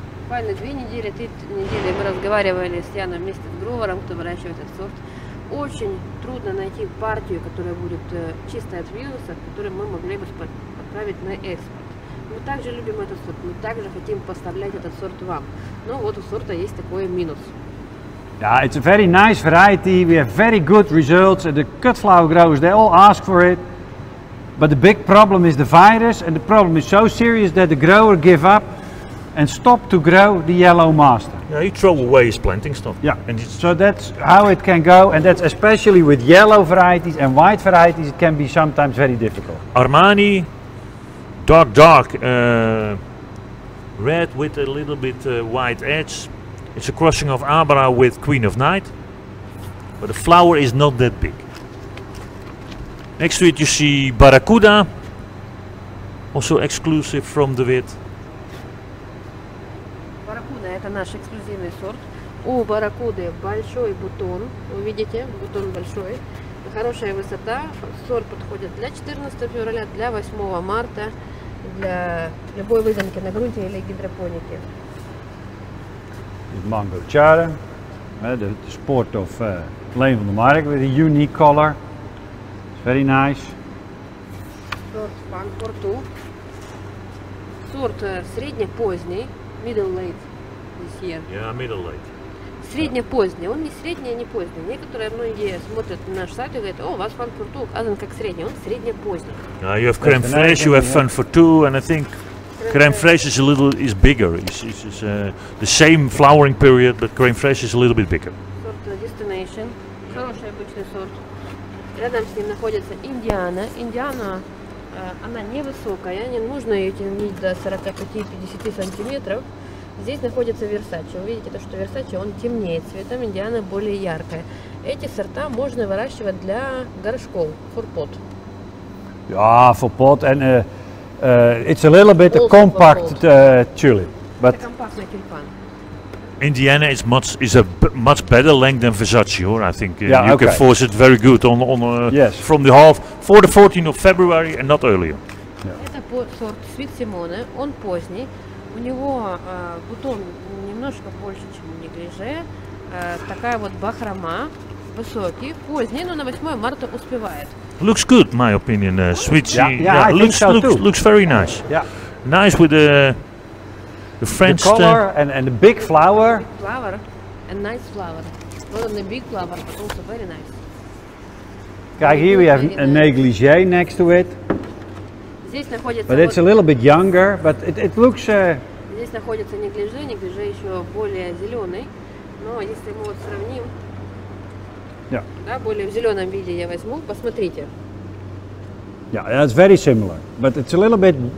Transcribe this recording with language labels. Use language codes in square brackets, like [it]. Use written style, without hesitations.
[ru] Буквально три недели мы разговаривали с Яном вместе с Гровером, кто выращивает этот сорт. Очень трудно найти партию, которая будет чистой от вируса, которую мы могли бы отправить на экспорт. Мы также любим этот сорт, мы также хотим поставлять этот сорт вам. Но вот у сорта есть такой минус. [en] Yeah, it's a very nice variety. We have very good results. And the cut flower growers, they all ask for it. But the big problem is the virus. And the problem is so serious that the grower give up and stop to grow the Yellow Master. Yeah, he throw away his planting stuff. Yeah, and so that's how it can go, and that's especially with yellow varieties and white varieties, it can be sometimes very difficult. Armani, dark, red with a little bit white edge. It's a crossing of Abra with Queen of Night, but the flower is not that big. Next to it you see Barracuda, also exclusive from the wit. [ru] Это наш эксклюзивный сорт. У барракуды большой бутон. Вы видите, бутон большой. Хорошая высота. Сорт подходит для 14 февраля, для 8 марта, для любой выземки на грунте или гидропоники. [en] Mango Chara. The sport of Lane van der Mark with a unique color. It's very nice. [ru] Сорт Van Cortu. Сорт средне-поздний, [en] middle-late. Yeah, middle late. [ru] Средне-поздний. Он не средний, не поздний. Некоторые многие смотрят на наш сайт и говорят, о, у вас Van Cortu указан как средний. Он средне-поздний. [en] You have Creme Fraiche, you have Van Cortu, and I think Creme Fraiche is a little is bigger. It's the same flowering period, but Creme Fraiche is a little bit bigger. [ru] Сорт Destination. Хороший обычный сорт. Рядом с ним находится Индиана. Индиана, она невысокая, не нужно ее тянуть до 45-50 сантиметров. Здесь находится Версачи. Вы видите, то, что Версачи, он темнее, цветом Индиана более яркая. Эти сорта можно выращивать для горшков, [en] for pot. Yeah, for pot, and it's a little bit also a compact tulip. But [ru] это компактный тюльпан. [en] Indiana is a much better length than Versace, or I think yeah, you okay. can force it very good on yes. from the half for the 14th of February and not earlier. [ru] Это сорт Sweet Simone, он поздний. У него бутон немножко больше, чем у неглиже. Такая вот бахрома, высокий, поздний, но на 8 марта успевает. [en] Looks good, my opinion, Sweet Simone. Looks very nice. Yeah. Nice with the French... The color and the big flower. Big flower and nice flower. Not only big flower, but also very nice. Kijk, here we have a negligee next to it. But it's a little bit younger, but it looks... [ru] Здесь находится неглиже, неглиже еще более зеленый. Но если мы вот сравним... [en] Yeah. [ru] Да, более в зеленом виде я возьму. Посмотрите. [en] Yeah, it's very similar, but it's a little bit...